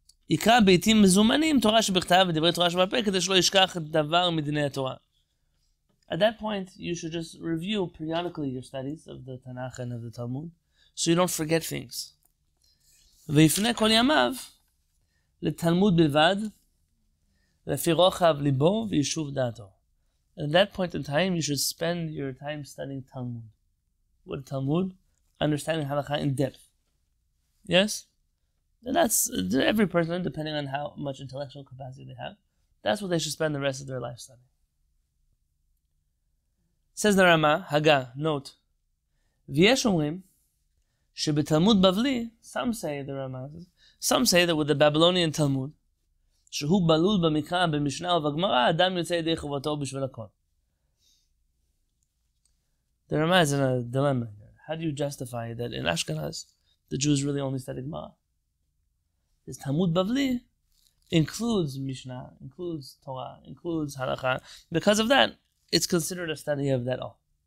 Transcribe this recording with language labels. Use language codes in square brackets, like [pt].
[he] יקרא בעיתים מזומנים תורה שבכתב ודברי תורה שבעל פה כדי שלא ישכח דבר מדיני התורה. [en] At that point, you should just review periodically your studies of the Tanakh and of the Talmud so you don't forget things. [he] ויפנה כל ימיו לתלמוד בלבד, לפי רוחב ליבו וישוב דעתו. [en] At that point in time, you should spend your time studying Talmud. What Talmud? Understanding Halakha in depth. Yes? And that's every person, depending on how much intellectual capacity they have, that's what they should spend the rest of their life studying. Says the Rama, Haga, note, [he] V'yesh omrim, שבתלמוד בבלי, [en] some say the Rama, some say that with the Babylonian Talmud, [he] שהוא בלול במקרא, במשנה ובגמרא, אדם יוצא ידי חובתו בשביל הכל. [en] The Rama is in a dilemma here. How do you justify that in Ashkenaz, the Jews really only study Gemara? This Talmud Bavli includes Mishnah, includes Torah, includes Halakha. Because of that, it's considered a study of that all.